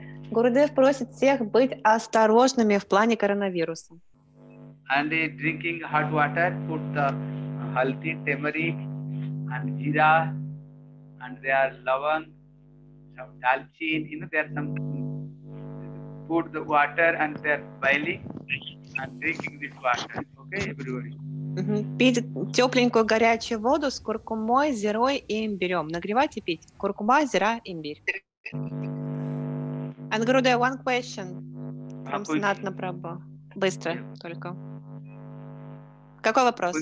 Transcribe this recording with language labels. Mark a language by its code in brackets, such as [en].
[ru] Гурудев просит всех быть осторожными в плане коронавируса. [en] And drinking hot water, put the healthy turmeric and jeera and they are lavang, some dalcin, you know, there's some put the water and they're boiling and drinking this water. Okay, everybody. [ru] Пить тепленькую горячую воду с куркумой, зирой и имбирем. Нагревать и пить. Куркума, зира, имбирь. [en] And Gurudev, one question. From Sanatana Prabhu. [ru] Быстро только. Какой вопрос?